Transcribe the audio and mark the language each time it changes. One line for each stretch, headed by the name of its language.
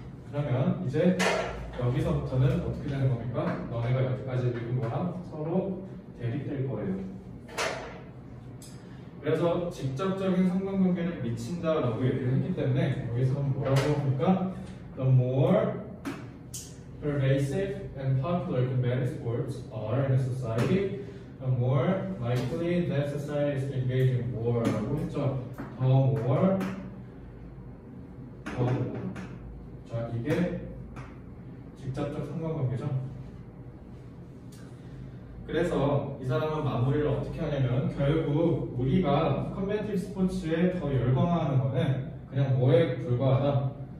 Korean: 그러면 이제 여기서부터는 어떻게 되는 겁니까? 너네가 여태까지 읽은 거랑 서로 대립될 거예요. 그래서 직접적인 상관관계를 미친다라고 얘기를 했기 때문에 여기서는 뭐라고 합니까?
English: The more pervasive and popular combative sports are in a society, the more likely that society is engaged in war
Korean: 라고 했죠.
English: The more, the more.
Korean: 자, 이게 직접적 상관관계죠. 그래서 이 사람은 마무리를 어떻게 하냐면 결국 우리가 컴배티브 스포츠에 더 열광하는 거는 그냥 뭐에 불과하다.